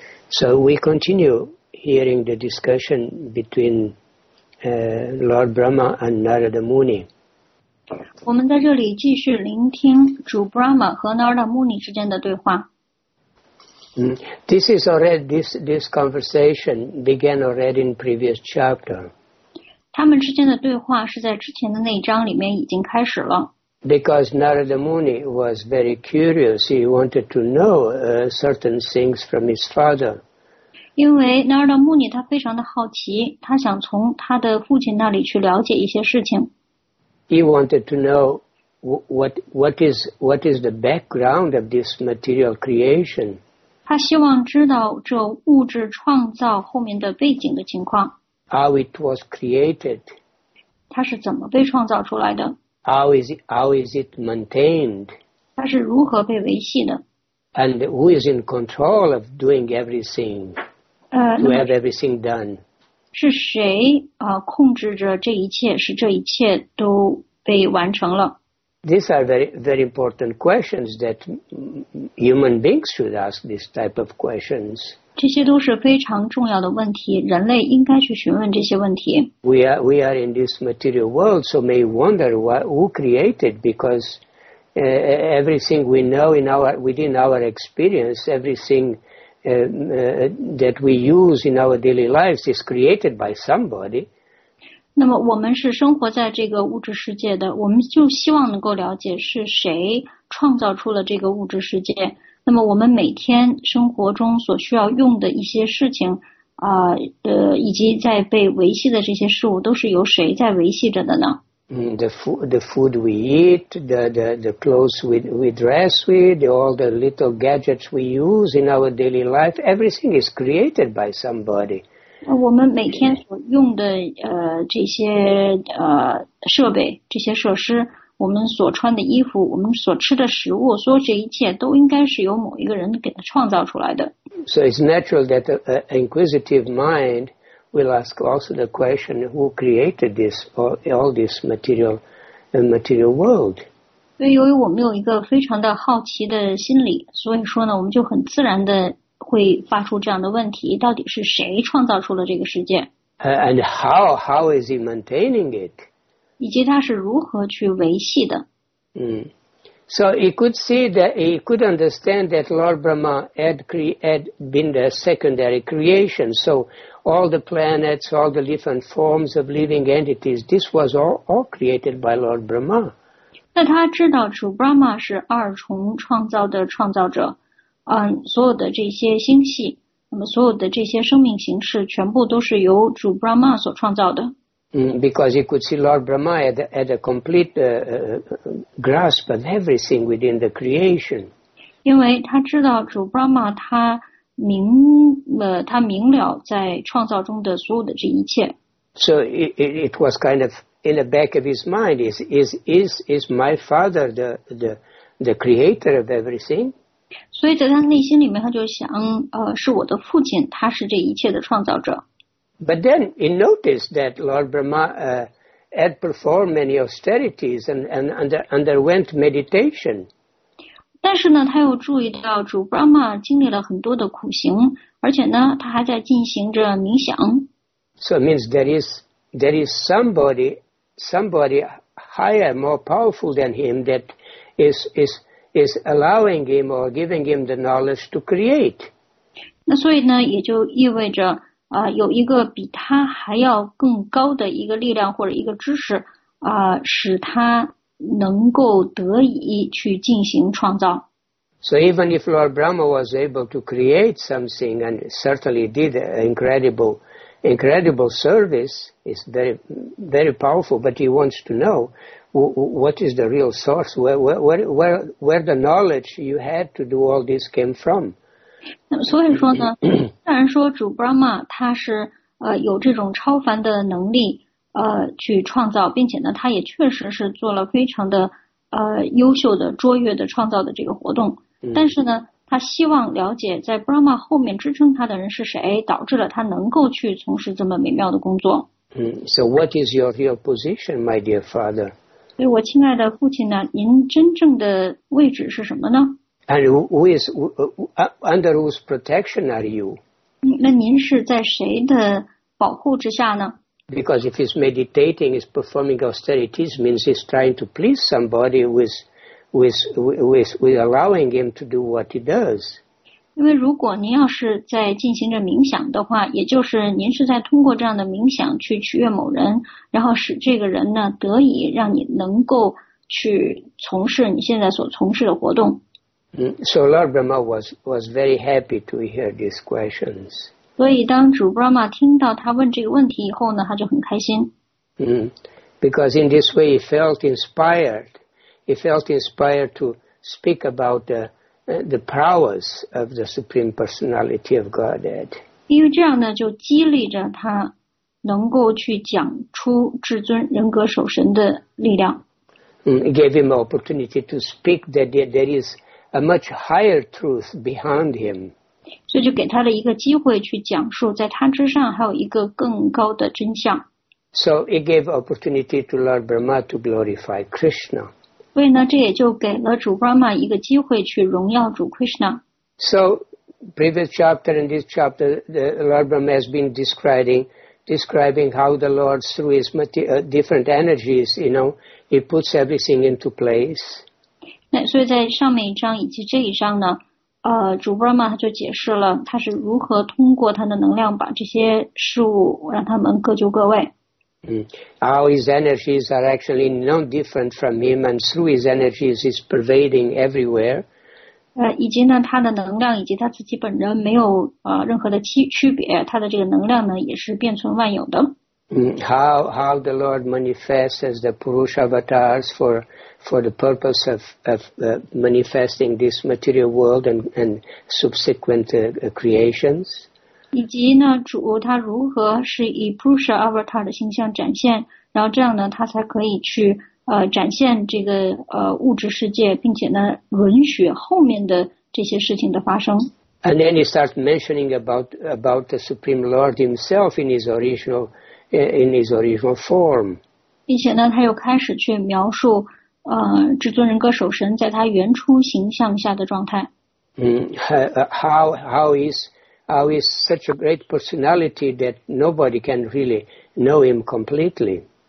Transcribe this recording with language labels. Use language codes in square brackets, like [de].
[en] So we continue hearing the discussion between Lord Brahma and Narada Muni. [zh] 我们在这里继续聆听主 Brahma 和 Narada Muni 之间的对话。 [en] This is already this conversation began already in previous chapter. [zh] 他们之间的对话是在之前的那一章里面已经开始了。 [en] Because Narada Muni was very curious, he wanted to know certain things from his father. [zh] 因为 Narada Muni 他非常的好奇，他想从他的父亲那里去了解一些事情。 [en] He wanted to know what is the background of this material creation. [zh] 他希望知道这物质创造后面的背景的情况。 [en] how it was created, [zh] 它是怎么被创造出来的？ [en] How is it maintained, [zh] 它是如何被维系的？ [en] And who is in control of doing everything, to have everything done? [zh] 是谁控制着这一切，使这一切都被完成了？ [en] These are very, very important questions that human beings should ask, this type of questions. [zh] 这些都是非常重要的问题，人类应该去询问这些问题。 [en] We are in this material world, so may wonder who created, because everything we know within our experience, everything that we use in our daily lives is created by somebody. [zh] 那么我们是生活在这个物质世界的，我们就希望能够了解是谁创造出了这个物质世界。那么我们每天生活中所需要用的一些事情以及在被维系的这些事物，都是由谁在维系着的呢？ [en] The food we eat, the clothes we dress with, all the little gadgets we use in our daily life, everything is created by somebody. [zh] 我们每天所用的这些设备、这些设施，我们所穿的衣服，我们所吃的食物，所有这一切都应该是由某一个人给它创造出来的。 [en] So it's natural that an inquisitive mind will ask also the question, who created this all this material world? [zh] 所以，由于我们有一个非常的好奇的心理，所以说呢，我们就很自然的。会发出这样的问题，到底是谁创造出了这个世界？ [en] And how is he maintaining it? [zh] 以及他是如何去维系的？ [en] So he could understand that Lord Brahma had been the secondary creation. So all the planets, all the different forms of living entities, this was all created by Lord Brahma. [zh] 那他知道主 Brahma 是二重创造的创造者。所有的这些星系，那么所有的这些生命形式，全部都是由主 Brahma 所创造的。 [en] Because he could see Lord Brahma had a complete grasp of everything within the creation. [zh] 因为他知道主 Brahma 他明了在创造中的所有的这一切。 [en] So it was kind of in the back of his mind. Is my father the creator of everything? [zh] 所以在他内心里面，他就想，是我的父亲，他是这一切的创造者。 [en] But then he noticed that Lord Brahma had performed many austerities and underwent meditation. [zh] 但是呢，他又注意到主 Brahma 经历了很多的苦行，而且呢，他还在进行着冥想。 [en] So it means there is somebody higher, more powerful than him that is allowing him or giving him the knowledge to create. [zh] 那所以呢，也就意味着有一个比他还要更高的一个力量或者一个知识使他能够得以去进行创造。 [en] So even if Lord Brahma was able to create something and certainly did an incredible service, it's very, very powerful, but he wants to know,What is the real source? Where the knowledge you had to do all this came from? [zh] 所以说呢，虽然说主 Brahma 他是有这种超凡的能力去创造，并且呢，他也确实是做了非常的优秀的卓越的创造的这个活动。但是呢，他希望了解在 Brahma 后面支撑他的人是谁，导致了他能够去从事这么美妙的工作。 [en] So what is your real position, my dear father? [zh] 所以我亲爱的父亲呢，您真正的位置是什么呢？ [en] And who under whose protection are you? [zh] 那您是在谁的保护之下呢？ [en] Because if he's meditating, he's performing austerities, means he's trying to please somebody with allowing him to do what he does. [zh] 因为如果您要是在进行着冥想的话，也就是您是在通过这样的冥想去取悦某人，然后使这个人呢得以让你能够去从事你现在所从事的活动。 [en] So Lord Brahma was very happy to hear these questions. [zh] 所以当主 Brahma 听到他问这个问题以后呢，他就很开心。 [en] Because in this way he felt inspired. He felt inspired to speak about the prowess of the Supreme Personality of Godhead. [zh] 因为这样呢，就激励着他能够去讲出至尊人格守神的力量。 [en] Gave him opportunity to speak that there is a much higher truth behind him. [zh] 所以就给他了一个机会去讲述，在他之上还有一个更高的真相。 [en] So it gave opportunity to Lord Brahma to glorify Krishna. [zh] 所以呢，这也就给了主 Brahma 一个机会去荣耀主 Krishna。 [en] So previous chapter and this chapter, Lord Brahma has been describing how the Lord through his different energies, you know, he puts everything into place. [zh] 那所以在上面一章以及这一章呢，主 Brahma 他就解释了他是如何通过他的能量把这些事物让他们各就各位。 [en] How his energies are actually no different from him, and through his energies is pervading everywhere. [zh] 以及呢，他的能量以及他自己本人没有任何的区别，他的这个能量呢也是遍存万有的。 [en] How the Lord manifests as the Purusha avatars for the purpose of manifesting this material world and subsequent creations. [zh] 以及呢，主他如何是以 Purusha avatar 的形象展现，然后这样呢，他才可以去。展现这个物质世界，并且呢，允许后面的这些事情的发生。 [en] And then he starts mentioning about the Supreme Lord himself in his original form. [zh] 并且呢，他又开始去描述至尊人格守神在他原初形象下的状态。 [en] How is such a great personality that nobody can really know him completely?